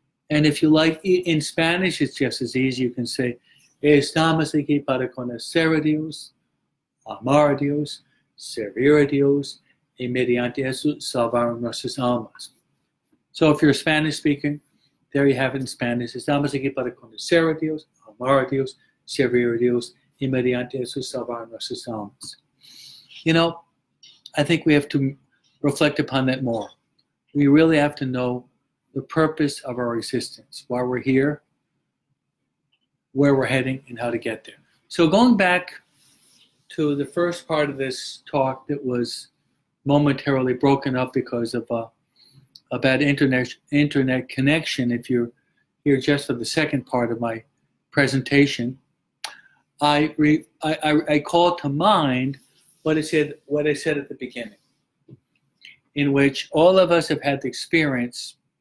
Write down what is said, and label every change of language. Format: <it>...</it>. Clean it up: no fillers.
<en>And if you like, in Spanish, it's just as easy. You can say,</en> <es>Estamos aquí para conocer a Dios, amar a Dios, servir a Dios, y mediante eso salvar nuestras almas.</es> <en>So if you're Spanish speaking, there you have it in Spanish.</en> <es>Estamos aquí para conocer a Dios, amar a Dios, servir a Dios, y mediante eso salvar nuestras almas.</es> <en>You know, I think we have to reflect upon that more. We really have to know the purpose of our existence, why we're here, where we're heading, and how to get there. So going back to the first part of this talk that was momentarily broken up because of a bad internet connection, if you're here just for the second part of my presentation, I call to mind what I said at the beginning, in which all of us have had the experience</en>